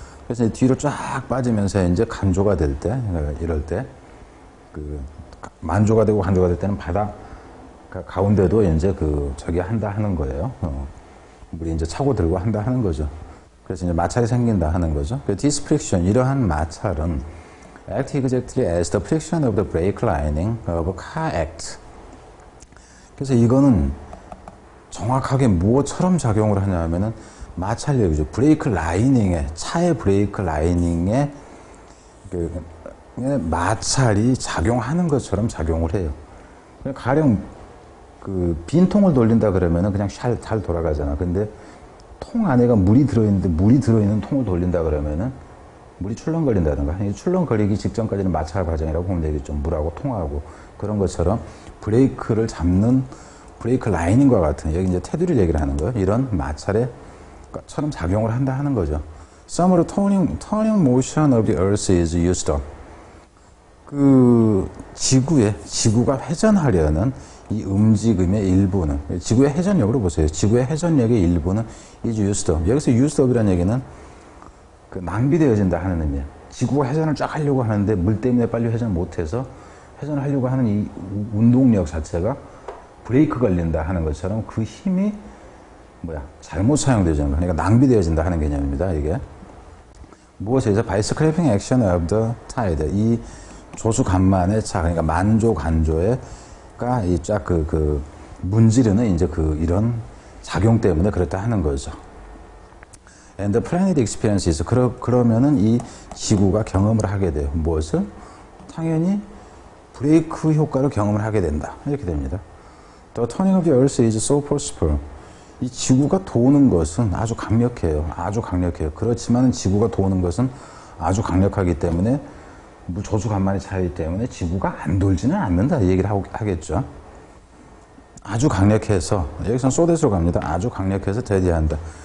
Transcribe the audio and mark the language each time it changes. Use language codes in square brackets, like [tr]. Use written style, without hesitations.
[ko] 그래서 뒤로 쫙 빠지면서 이제 간조가 될 때, 이럴 때, 그 만조가 되고 간조가 될 때는 바다 가운데도 이제 그 저기 한다 하는 거예요. 물이 이제 차고 들고 한다 하는 거죠. 그래서 이제 마찰이 생긴다 하는 거죠. 그 디스프릭션, 이러한 마찰은 [en] act exactly as the friction of the brake lining of a car act. [ko] 그래서 이거는 정확하게 무엇처럼 작용을 하냐면은 마찰력이죠. 브레이크 라이닝에, 차의 브레이크 라이닝에 그 마찰이 작용하는 것처럼 작용을 해요. 그냥 가령 그 빈통을 돌린다 그러면은 그냥 샬 잘 돌아가잖아. 근데 통 안에가 물이 들어있는데 물이 들어있는 통을 돌린다 그러면은 물이 출렁거린다든가, 출렁거리기 직전까지는 마찰 과정이라고 보면 되겠죠. 물하고 통하고 그런 것처럼 브레이크를 잡는 브레이크 라이닝과 같은, 여기 이제 테두리를 얘기를 하는 거예요. 이런 마찰처럼 작용을 한다 하는 거죠. [en] Summer turning motion of the earth is used up. [ko] 그 지구가 회전하려는 이 움직임의 일부는, 지구의 회전력으로 보세요. 지구의 회전력의 일부는 [en] is used up. [ko] 여기서 used up이라는 얘기는 그 낭비되어진다 하는 의미예요. 지구가 회전을 쫙 하려고 하는데 물 때문에 빨리 회전 못해서 회전을 하려고 하는 이 운동력 자체가 브레이크 걸린다 하는 것처럼 그 힘이 잘못 사용되어지는 거, 그러니까 낭비되어진다 하는 개념입니다. 이게 무엇에서 [en] by scraping action of the tide, [ko] 이 조수 간만의 차, 그러니까 만조 간조에가 이 쫙 그 문지르는 이제 그 이런 작용 때문에 그렇다 하는 거죠. [en] And the planet experiences. [ko] 그러면은 이 지구가 경험을 하게 돼요. 무엇을? 당연히 브레이크 효과를 경험을 하게 된다. 이렇게 됩니다. [en] The turning of the earth is so forceful. [ko] 이 지구가 도는 것은 아주 강력해요. 아주 강력해요. 그렇지만 지구가 도는 것은 아주 강력하기 때문에 조수 간만의 차이기 때문에 지구가 안 돌지는 않는다. 이 얘기를 하겠죠. 아주 강력해서, 여기서는 쏘댓으로 갑니다. 아주 강력해서 대디한다.